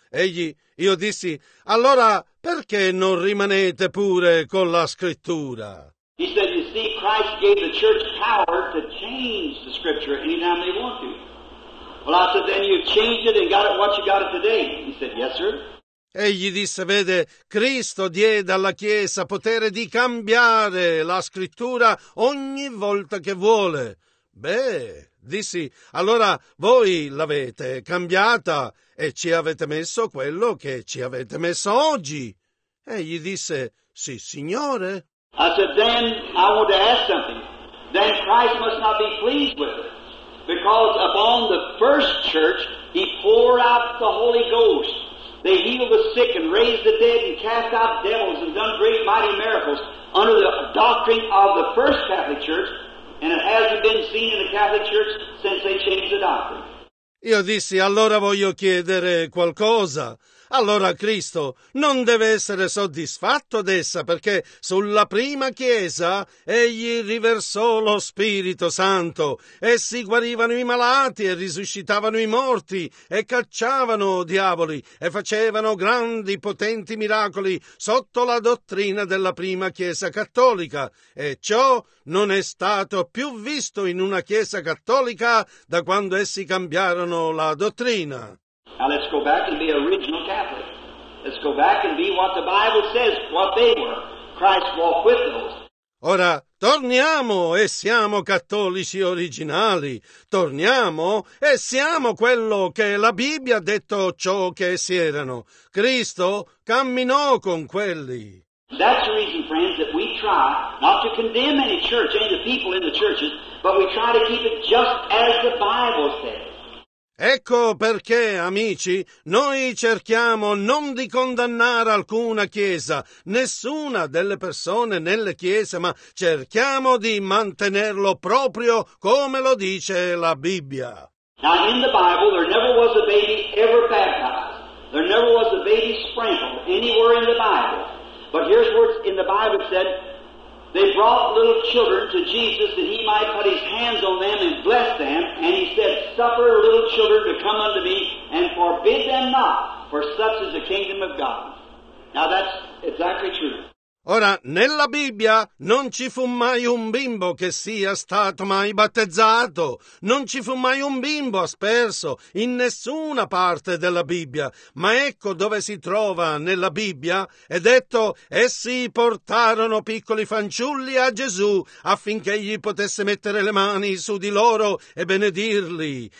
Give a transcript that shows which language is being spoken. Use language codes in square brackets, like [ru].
[it] Egli, io dissi, allora perché non rimanete pure con la scrittura? [en] He said, you see, Christ gave the church power to change the scripture anytime they want to. Well, I said, then you've changed it and got it what you got it today. He said, yes, sir. [it] Egli disse, vede, Cristo diede alla Chiesa potere di cambiare la scrittura ogni volta che vuole. Beh, dissi, allora voi l'avete cambiata e ci avete messo quello che ci avete messo oggi. E gli disse, sì, signore. [en] I said, then I want to ask something. Then Christ must not be pleased with it. Because upon the first church, he poured out the Holy Ghost. They healed the sick and raised the dead and cast out devils and done great mighty miracles under the doctrine of the first Catholic Church. And it hasn't been seen in the Catholic Church since they changed the doctrine. [it] Io dissi, allora voglio chiedere qualcosa. Allora Cristo non deve essere soddisfatto d'essa, perché sulla prima Chiesa egli riversò lo Spirito Santo. Essi guarivano i malati e risuscitavano i morti e cacciavano diavoli e facevano grandi potenti miracoli sotto la dottrina della prima Chiesa Cattolica. E ciò non è stato più visto in una Chiesa Cattolica da quando essi cambiarono la dottrina. [en] Now let's go back and be original Catholic. Let's go back and be what the Bible says, what they were. Christ walked with those. [it] Ora, torniamo e siamo cattolici originali. Torniamo e siamo quello che la Bibbia ha detto ciò che essi erano. Cristo camminò con quelli. [en] That's the reason, friends, that we try not to condemn any church, any of the people in the churches, but we try to keep it just as the Bible says. [it] Ecco perché, amici, noi cerchiamo non di condannare alcuna chiesa, nessuna delle persone nelle chiese, ma cerchiamo di mantenerlo proprio come lo dice la Bibbia. [en] Now in the Bible there never was a baby ever baptized. There never was a baby sprinkled anywhere in the Bible. But here's what in the Bible said, they brought little children to Jesus that he might put his hands on them and bless them. And he said, suffer little children to come unto me and forbid them not, for such is the kingdom of God. Now that's exactly true. [it] Ora, nella Bibbia non ci fu mai un bimbo che sia stato mai battezzato, non ci fu mai un bimbo asperso in nessuna parte della Bibbia, ma ecco dove si trova nella Bibbia, è detto, essi portarono piccoli fanciulli a Gesù affinché egli potesse mettere le mani su di loro e benedirli.